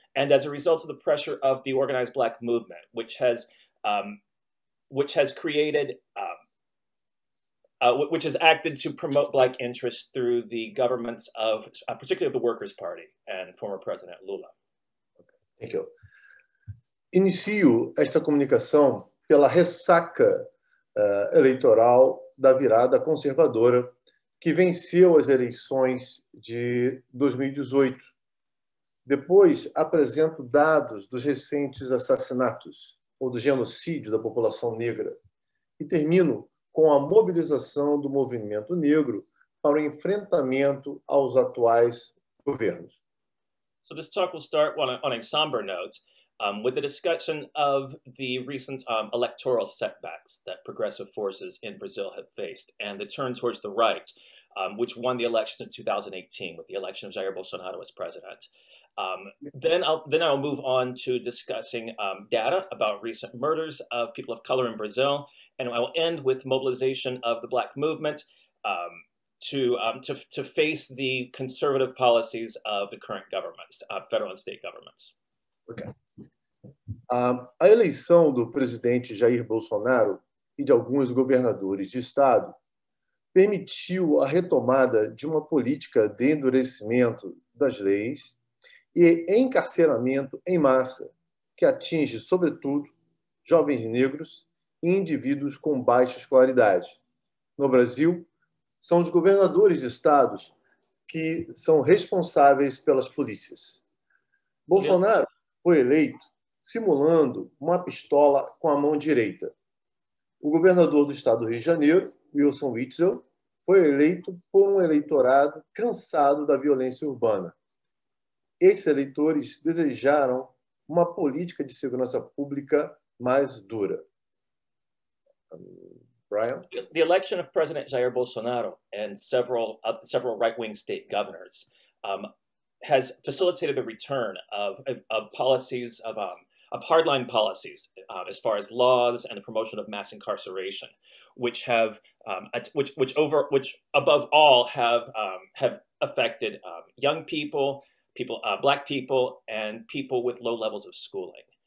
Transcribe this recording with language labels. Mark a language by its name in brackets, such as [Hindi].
[English] And as a result of the pressure of the organized black movement, which has acted to promote black interests through the governments of, particularly the Workers' Party and former President Lula. Okay. Thank you. [Portuguese] Inicio esta comunicação pela ressaca eleitoral da virada conservadora que venceu as eleições de 2018. Depois, apresento dados dos recentes assassinatos ou do genocídio da população negra e termino com a mobilização do movimento negro para o enfrentamento aos atuais governos. [English] So this talk will start on a somber note with the discussion of the recent electoral setbacks that progressive forces in Brazil have faced and the turn towards the right, which won the election in 2018 with the election of Jair Bolsonaro as president. Then I'll move on to discussing data about recent murders of people of color in Brazil, and I will end with mobilization of the black movement to face the conservative policies of the current governments, federal and state governments. Okay. [Portuguese] A eleição do presidente Jair Bolsonaro e de alguns governadores de estado permitiu a retomada de uma política de endurecimento das leis e encarceramento em massa, que atinge, sobretudo, jovens negros e indivíduos com baixa escolaridade. No Brasil, são os governadores de estados que são responsáveis pelas polícias. Bolsonaro foi eleito simulando uma pistola com a mão direita. O governador do estado do Rio de Janeiro, Wilson Witzel, foi eleito por um eleitorado cansado da violência urbana. Esses eleitores desejaram uma política de segurança pública mais dura. Brian? [English] The election of President Jair Bolsonaro and several right-wing state governors has facilitated the return of policies of hardline policies as far as laws and the promotion of mass incarceration, which have which above all have affected young people, black people, and people with low levels of schooling.